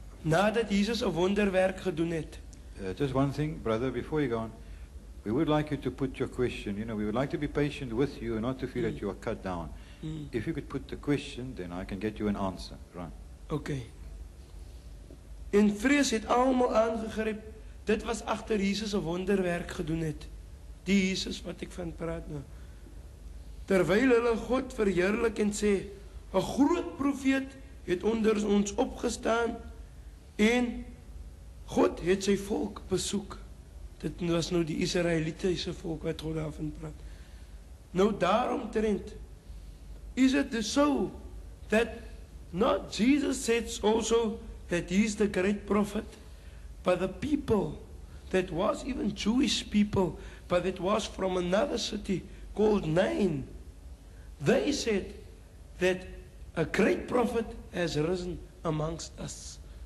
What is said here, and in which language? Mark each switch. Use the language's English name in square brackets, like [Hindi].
[Afrikaans] Nadat Jesus een wonderwerk gedoen het. [English] Just one thing, brother, before you go on, we would like you to put your question, you know, we would like to be patient with you and not to feel that you are cut down. If you could put the question, then I can get you an answer, right? Okay. [Afrikaans] In vrees het allemaal aangegryp, dit was achter Jesus een wonderwerk gedoen het. Die Jesus wat ek van praat nou. Terwijl hulle God verheerlik en sê, een groot profeet het onder ons opgestaan en God het sy volk besoek. Dit was nou die Israelitiese volk wat God daarvan praat. Nou daaromtrent, is het dus so, dat [English] Not Jesus says also that he is the great prophet, but the people that was even Jewish people, but it was from another city called Nain, they said that a great prophet has risen amongst us.